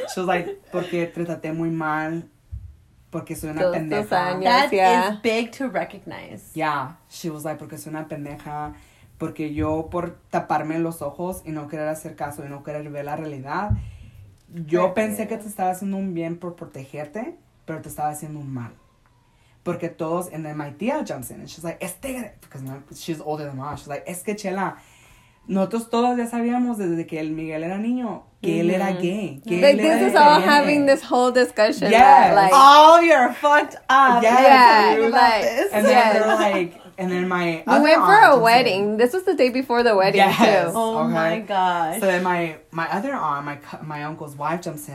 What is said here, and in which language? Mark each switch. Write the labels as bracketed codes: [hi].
[en] She was like, [es] porque te traté muy mal, porque soy una pendeja. [en] That is big to recognize. Yeah. She was like, [es] porque soy una pendeja. Porque yo, por taparme los ojos y no querer hacer caso y no querer ver la realidad, yo pensé que te estaba haciendo un bien por protegerte, pero te estaba haciendo un mal. Porque todos, [en] and then my tia jumps in, and she's like, because no, she's older than mom. She's like, [es] es que Chela, nosotros todos ya sabíamos desde que el Miguel era niño, que él era gay. [en] Like, this is all having this whole discussion. Yes. Like, all you're fucked up. Yes. Yeah. And then they're like, and then my we other went for a wedding. Like, this was the day before the wedding, yes, too. Oh, okay. My gosh. So then my other aunt, my uncle's wife, jumps in.